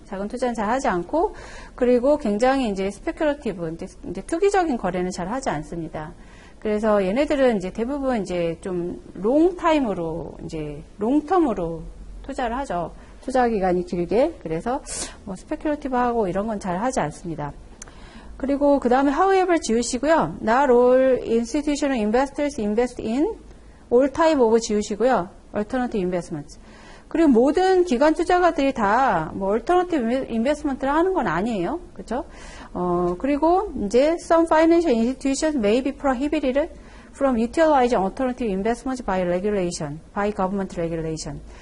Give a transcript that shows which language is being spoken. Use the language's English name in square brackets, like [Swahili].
[Korean] 작은 투자는 잘 하지 않고, 그리고 굉장히 이제 스페큘러티브, 이제 투기적인 거래는 잘 하지 않습니다. 그래서 얘네들은 이제 대부분 이제 좀 롱텀으로 투자를 하죠. 투자 기간이 길게. 그래서 뭐 스페큘러티브하고 이런 건 잘 하지 않습니다. 그리고 그 다음에 however 지우시고요. [English] Not all institutional investors invest in all type of [Korean] 지우시고요. [English] Alternative investments. [Korean] 그리고 모든 기관 투자가들이 다 뭐 얼터너티브 인베스먼트를 하는 건 아니에요. 그렇죠? 그리고 이제 [English] some financial institutions may be prohibited from utilizing alternative investments by regulation, by government regulation.